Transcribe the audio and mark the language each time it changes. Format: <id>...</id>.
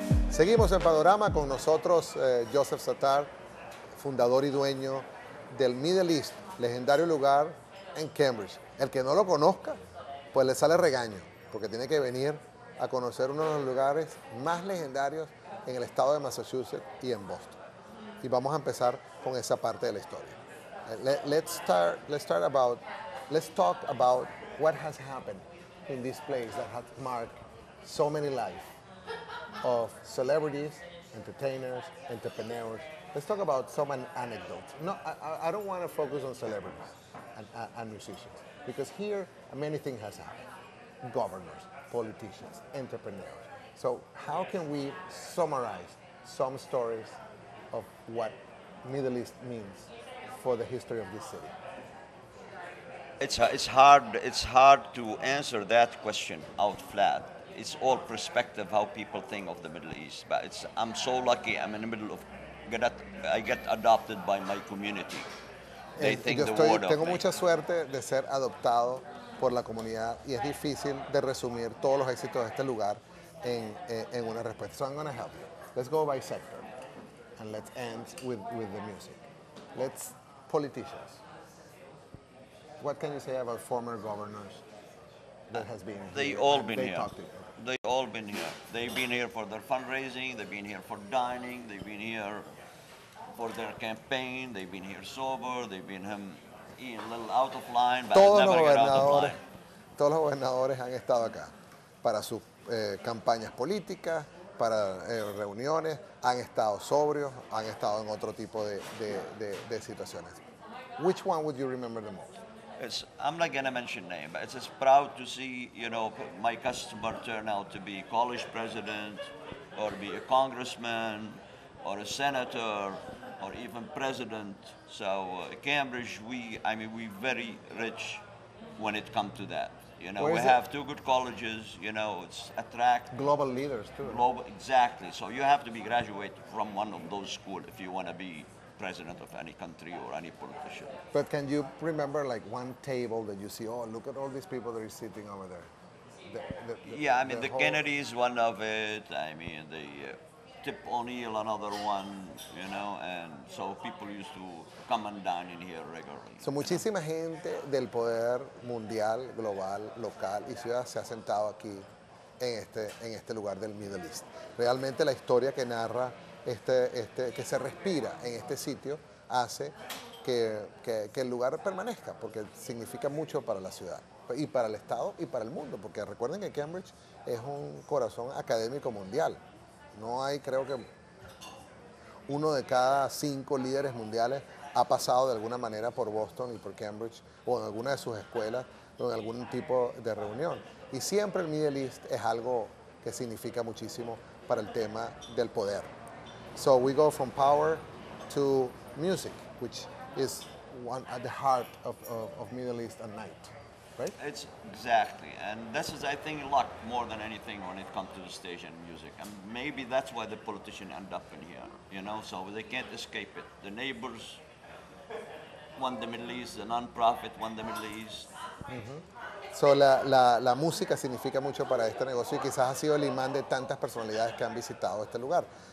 <es>Seguimos en Panorama con nosotros, Joseph Satar, fundador y dueño del Middle East, legendario lugar en Cambridge. El que no lo conozca, pues le sale regaño, porque tiene que venir a conocer uno de los lugares más legendarios en el estado de Massachusetts y en Boston. Y vamos a empezar con esa parte de la historia.</es> <en>Let's talk about what has happened in this place that has marked so many lives of celebrities, entertainers, entrepreneurs. Let's talk about some anecdotes. No, I don't want to focus on celebrities and musicians, because here many things has happened. Governors, politicians, entrepreneurs. So how can we summarize some stories of what Middle East means for the history of this city? It's hard to answer that question out flat. It's all perspective how people think of the Middle East. But I'm so lucky. I'm in the middle of I get adopted by my community. They think the world of me.</en> <es>Tengo mucha suerte de ser adoptado por la comunidad, y es difícil de resumir todos los éxitos de este lugar en una respuesta.</es> <en>So I'm going to help you. Let's go by sector and let's end with the music. Let's politicians. What can you say about former governors that has been here? They've all been here. They've been here for their fundraising, they've been here for dining, they've been here for their campaign, they've been here sober, they've been a little out of line, but</en> <es>todos</es> <en>never got out of line.</en> <es>Todos los gobernadores han estado acá para sus campañas políticas, para reuniones, han estado sobrios, han estado en otro tipo de situaciones.</es> <en>Which one would you remember the most? I'm not going to mention name, but it's just proud to see, you know, my customer turn out to be college president, or be a congressman, or a senator, or even president. So Cambridge, we're very rich when it comes to that. You know, have two good colleges, you know, it's attract global leaders too. Exactly. So you have to be graduated from one of those schools if you want to be president of any country or any politician. But can you remember like one table that you see, oh, look at all these people that are sitting over there? The Kennedy is one of it. I mean, the Tip O'Neill, another one, you know, and so people used to come and dine in here regularly.</en> <es>So muchísima gente del poder mundial, global, local y ciudad se ha sentado aquí en este lugar del Middle East. Realmente la historia que narra este que se respira en este sitio hace que el lugar permanezca, porque significa mucho para la ciudad y para el estado y para el mundo, porque recuerden que Cambridge es un corazón académico mundial. No hay, creo que uno de cada cinco líderes mundiales ha pasado de alguna manera por Boston y por Cambridge, o en alguna de sus escuelas, o en algún tipo de reunión. Y siempre el Middle East es algo que significa muchísimo para el tema del poder.</es> <en>So we go from power to music, which is one at the heart of Middle East at night, right? It's exactly, and this is, I think, luck more than anything when it comes to the stage and music. And maybe that's why the politicians end up in here, you know, so they can't escape it. The neighbors want the Middle East, the non-profit want the Middle East.</en> <es>So la música significa mucho para este negocio, y quizás ha sido el imán de tantas personalidades que han visitado este lugar.</es>